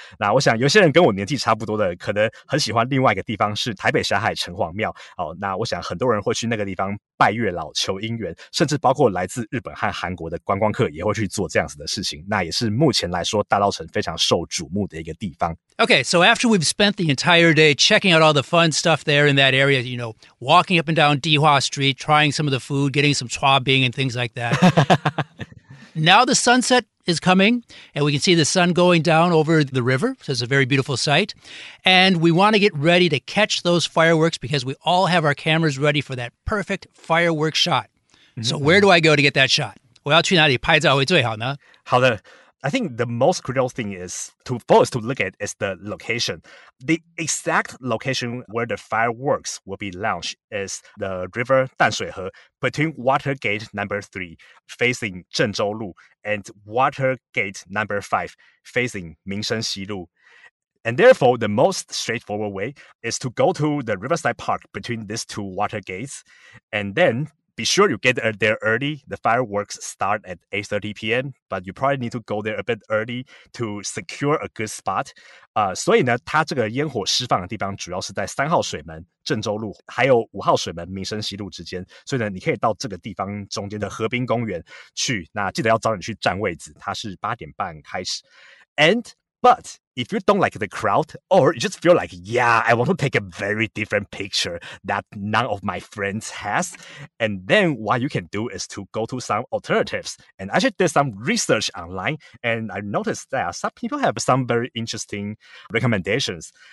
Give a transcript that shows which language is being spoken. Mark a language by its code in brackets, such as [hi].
[zh] 那我想有些人跟我年纪差不多的可能很喜欢另外一个地方是台北霞海城隍庙，哦，那我想很多人会去那个地方拜月老求姻缘，甚至包括来自日本和韩国的观光客也会去做这样子的事情，那也是目前来说大稻埕非常受瞩目的一个地方。 [en] Okay, so after we've spent the entire day checking out all the fun stuff there in that area, you know, walking up and down Dihua Street, trying some of the food, getting some chua bing and things like that. Now the sunset is coming, and we can see the sun going down over the river, so it's a very beautiful sight. And we want to get ready to catch those fireworks because we all have our cameras ready for that perfect firework shot. Mm-hmm. So where do I go to get that shot? [zh] 我要去哪里拍照会最好呢？好的。 [en] I think the most critical thing is to first to look at is the location. The exact location where the fireworks will be launched is the river Danshuihe between Watergate number 3 facing Zhengzhou Lu and Watergate number 5 facing Mingshen Xi Lu. And therefore, the most straightforward way is to go to the Riverside Park between these two water gates and then be sure you get there early. The fireworks start at 8:30 p.m., but you probably need to go there a bit early to secure a good spot. [zh] 所以呢，它这个烟火释放的地方主要是在三号水门、郑州路，还有五号水门、民生西路之间。所以呢，你可以到这个地方中间的河滨公园去。那记得要早点去占位置，它是8:30开始。 [en] But if you don't like the crowd, or you just feel like, yeah, I want to take a very different picture that none of my friends has. And then what you can do is to go to some alternatives. And actually did some research online, and I noticed that some people have some very interesting recommendations.